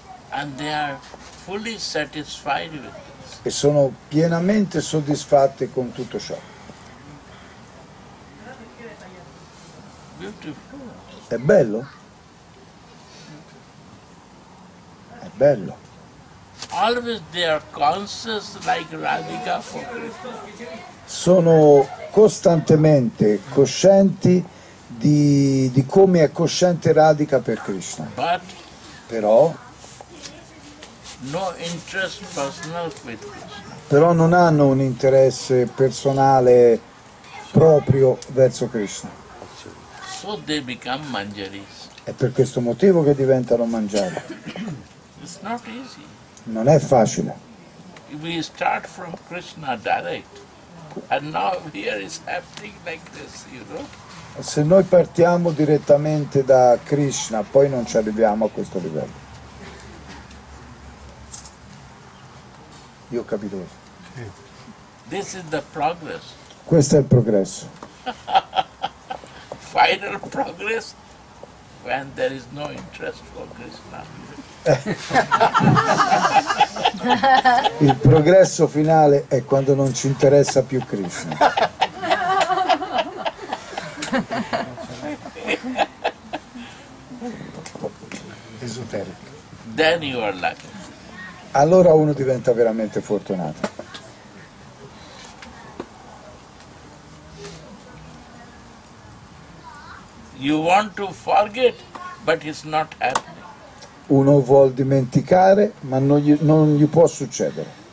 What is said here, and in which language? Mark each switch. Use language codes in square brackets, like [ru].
[en] And they are fully satisfied with this. [it] E sono pienamente soddisfatte con tutto ciò. [en] Beautiful. [it] È bello? Bello. [en] Always they are conscious like Radhika for Krishna. [it] Sono costantemente coscienti di come è cosciente Radhika per Krishna. [en] But [it] però [en] no interest personal with Krishna. [it] Però non hanno un interesse personale proprio verso Krishna. [en] So they become manjaris. [it] È per questo motivo che diventano manjari. [en] It's not easy. [it] Non è facile. [en] We start from Krishna direct, and now here is happening like this, you know. [it] Se noi partiamo direttamente da Krishna, poi non ci arriviamo a questo livello. Io ho capito. Sì. [en] This is the progress. [it] Questo è il progresso. [en] Final progress when there is no interest for Krishna. [it] Il progresso finale è quando non ci interessa più Krishna. Esoterico. [en] Then you are lucky. [it] Allora uno diventa veramente fortunato. [en] You want to forget, but it's not happening. [it] Uno vuol dimenticare, ma non gli può succedere.